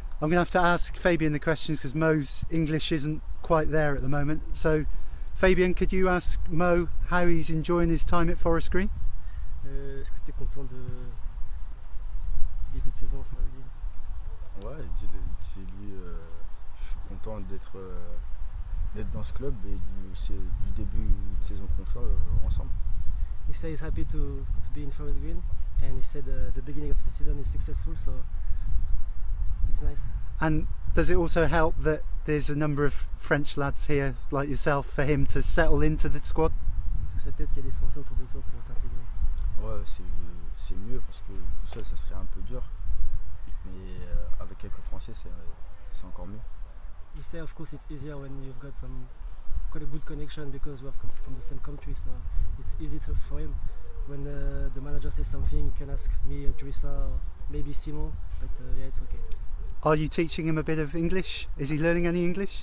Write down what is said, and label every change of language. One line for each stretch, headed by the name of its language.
English: I'm going to have to ask Fabien the questions because Mo's English isn't quite there at the moment. So, Fabien, could you ask Mo how he's enjoying his time at Forest Green?
French: Est-ce que tu es content de début de saison, Fabien? Ouais, dis-lui, je suis content d'être dans ce club et du début de saison qu'on fait ensemble.
English: He says he's happy to be in Forest Green. And he said the beginning of the season is successful, so it's nice. And does it also help that there's a number of French lads here, like yourself, for him to settle into the squad?
French: Parce que ça peut-être qu'il y a des Français autour de toi pour t'intégrer. Ouais, c'est mieux parce que tout seul ça serait un peu dur, mais avec quelques Français c'est encore mieux.
English: He said, of course, it's easier when you've got some quite a good connection because we have come from the same country, so it's easy for him. When the manager says something, you can ask me, Drissa, or maybe Simon, but yeah, it's okay. Are you teaching him a bit of English? Is he learning any English?